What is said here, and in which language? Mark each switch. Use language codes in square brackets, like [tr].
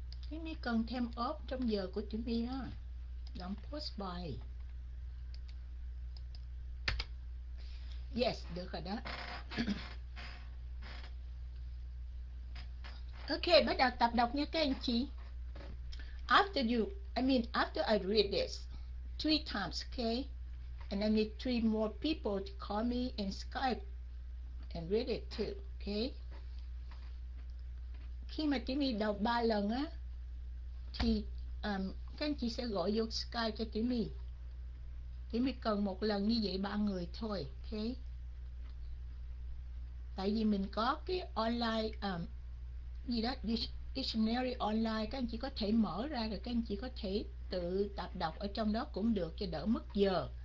[vi] Tiểu My cần thêm off trong giờ của Tiểu My đó. Đóng post bài. Yes, được rồi đó. Ok, bắt đầu tập đọc nha các anh chị. [en] After you, I mean after I read this three times, okay? And I need three more people to call me and Skype and read it too, okay? [vi] Khi mà Tiểu My đọc ba lần á, thì các anh chị sẽ gọi vô Skype cho Tiểu My. Tiểu My cần một lần như vậy ba người thôi, okay? Tại vì mình có cái online gì đó, dictionary online, các anh chị có thể mở ra rồi các anh chị có thể tự tập đọc ở trong đó cũng được cho đỡ mất giờ.